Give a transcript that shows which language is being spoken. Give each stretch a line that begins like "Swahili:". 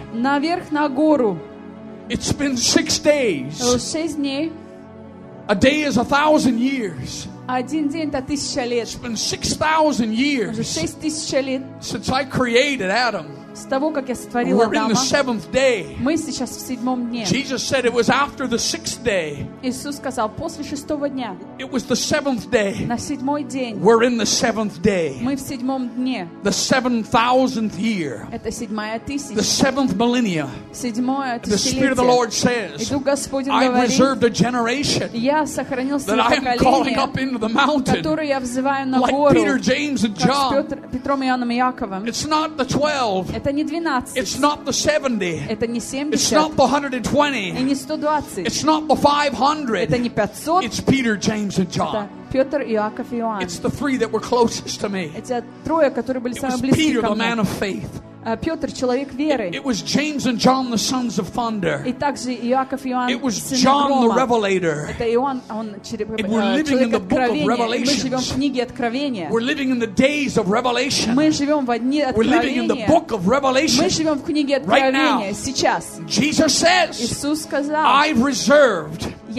Russian: Наверх на гору.
English: It's been 6 days.
Russian: 6 дней.
English: A day is 1,000 years.
Russian: Один день это 1,000 лет.
English: It's been 6,000 years.
Russian: Уже 6,000 лет.
English: Since I created Adam.
Russian: С того, как я сотворил Адама.
English: We're in the seventh day.
Russian: Мы сейчас в 7-м дне.
English: Jesus said it was after the 6th day.
Russian: Иисус сказал после 6-го дня.
English: It was the 7th day.
Russian: На 7-й день.
English: We're in the 7th day.
Russian: Мы в 7-м дне.
English: The 7,000th year.
Russian: Это 7-я тысяча.
English: The 7th millennia.
Russian: 7-е тысячелетие.
English: The Spirit of the Lord says.
Russian: И Дух Господень говорит.
English: I reserved a generation.
Russian: Я сохранил свое поколение.
English: That I am calling up into the mountain.
Russian: Которое я взываю на гору.
English: Like Peter, James, and John.
Russian: Как Петром, Иоанном и Яковом.
English: It's not the 12.
Russian: Это не 12.
English: It's not the 70.
Russian: Это не 70.
English: It's not the 120.
Russian: И не 120.
English: It's not the 500.
Russian: Это не 500.
English: It's Peter, James, and John.
Russian: Это Петр, Иаков и Иоанн.
English: It's the three that were closest to me.
Russian: Это трое, которые были самые близкие ко мне.
English: It was Peter, the man of faith.
Russian: Петр, человек веры.
English: It was James and John, the sons of thunder.
Russian: И также Иаков и Иоанн,
English: it was John, the revelator.
Russian: Это Иоанн, он человек откровения. Мы живем в книге Откровения.
English: We're living in the days of revelation.
Russian: Мы живем в дни Откровения.
English: We're living in the book of revelation.
Russian: Мы живем в книге Откровения сейчас.
English: Jesus says,
Russian: Иисус сказал,
English: I've reserved